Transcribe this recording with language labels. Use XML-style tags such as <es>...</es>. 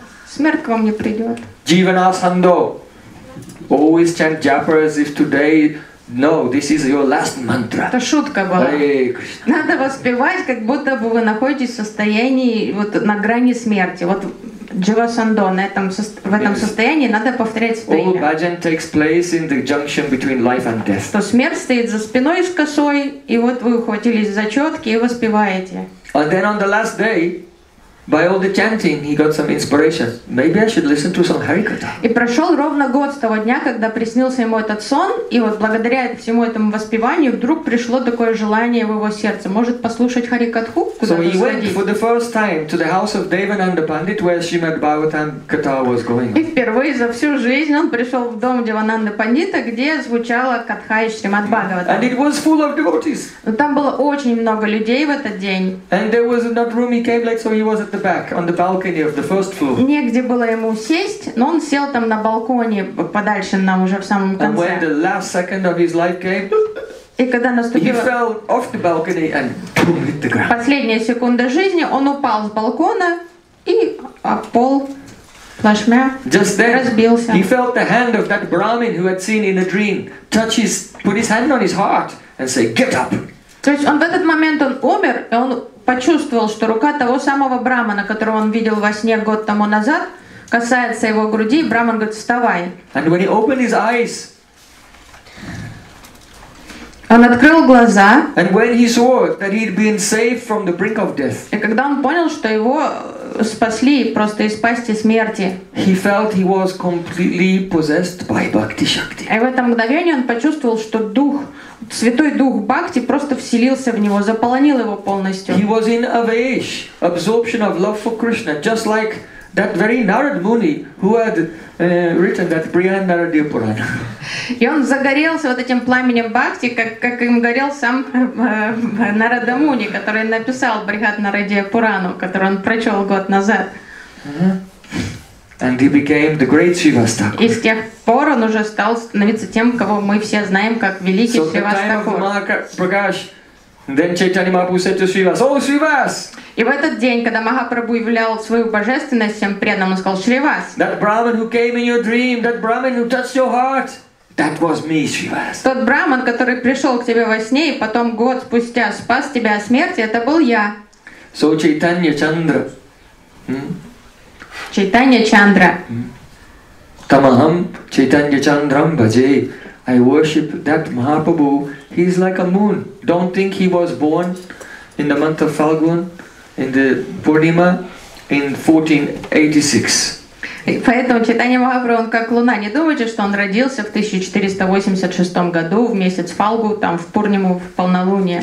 <ru>Смерть к вам не придет.</ru> <en>Jivana Sando. Always chant japa as if today... No, this is your last mantra.</en> <ru>Это шутка была. Надо воспевать, как будто бы вы находитесь в состоянии вот на грани смерти. Вот Jiva Sando, в этом состоянии надо повторять свое имя.</ru> <en>All bhajan takes place in the junction between life and death.</en> <ru>То смерть стоит за спиной с косой, и вот вы ухватились за четки и воспеваете.</ru> <en>And then on the last day, by all the chanting, he got some inspiration. Maybe I should listen to some Harikatha.</en> <ru>И прошел ровно год с того дня, когда приснился ему этот сон, и вот благодаря всему этому воспеванию вдруг пришло такое желание в его сердце. Может послушать Харикатху?</ru> <en>So he went for the first time to the house of Devananda Pandit, where Srimad Bhagavatam Katha was going.</en> <ru>И впервые за всю жизнь он пришел в дом Девананды Пандита, где звучала Катха и Шримад Бхагаватам.</ru> <en>And it was full of devotees.</en> <ru>Но там было очень много людей в этот день.</ru> <en>And there was not room, he came like, so he was the back on the balcony of the first floor.</en> <ru>Негде было ему сесть, но он сел там на балконе подальше, нам уже в самом конце.</ru> <en>And when the last second of his life came,</en> <ru>и когда наступило,</ru> <en>he fell off the balcony and hit the ground.</en> <ru>Последняя секунда жизни, он упал с балкона и пол плашмя</ru> <en>just then</en> <ru>разбился.</ru> <en>He felt the hand of that Brahmin who had seen in a dream touch his, put his hand on his heart and say, get up.</en> <ru>То есть он в этот момент он умер, и он почувствовал, что рука того самого брахмана, которого он видел во сне год тому назад, касается его груди, и брахман говорит, вставай.</ru> <en>And when he opened his eyes,</en> <ru>он открыл глаза.</ru> <en>And when he saw that he'd been saved from the brink of death,</en> <ru>и когда он понял, что его спасли просто из пасти смерти,</ru> <en>he felt he was completely possessed by Bhakti Shakti.</en> <ru>И в это мгновение он почувствовал, что дух, Святой Дух Бхакти просто вселился в него, заполонил его полностью.</ru> <en>He was in avesh, absorption of love for Krishna, just like that very Narad Muni who had written that Brihan Naradiya Purana.</en> <ru>И он загорелся вот этим пламенем Бхакти, как им горел сам Нарада Муни, который написал Брихан Нарадия Пурану, который он прочел год назад.</ru> <en>And he became the great Srivastakur.</en> <ru>И с тех пор он уже стал становиться тем, кого мы все знаем как великий Srivastakur.</ru> <en>Then Chaitanya Mahaprabhu said to Srivas, "Oh, Srivas!"</en> <ru>И в этот день, когда Махапрабху являл свою божественность всем преданным, он сказал, Шривас.</ru> <en>That Brahmin who came in your dream, that Brahmin who touched your heart, that was me, Srivas.</en> <ru>Тот Брахман, который пришел к тебе во сне и потом год спустя спас тебя от смерти, это был я.</ru> <en>So Chaitanya Chandra. Chaitanya Chandra.</en> <sa>Tamaham Chaitanya Chandram Bhaje.</sa> <en>I worship that Mahaprabhu. He's like a moon. Don't think he was born in the month of Falgun, in the Purnima, in 1486.</en> <ru>Поэтому читание Махапрабху, он как луна. Не думайте, что он родился в 1486 году, в месяц Фалгу, там, в Пурниму, в полнолуние.</ru>